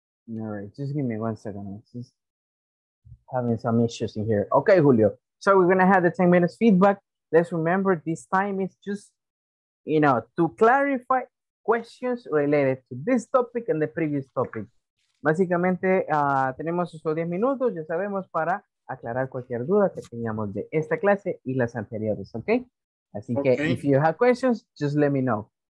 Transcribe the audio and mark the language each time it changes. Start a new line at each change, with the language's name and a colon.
English: All right, just give me 1 second. I'm just having some issues in here. Okay, Julio. So we're going to have the 10 minutes feedback. Let's remember this time is just, you know, to clarify questions related to this topic and the previous topic.
Spanish: Básicamente, tenemos esos 10 minutos, ya sabemos, para aclarar cualquier duda que tengamos de esta clase y las anteriores, ¿ok? Así
English: okay.
Spanish: Que,
English: if you have questions, just let me know.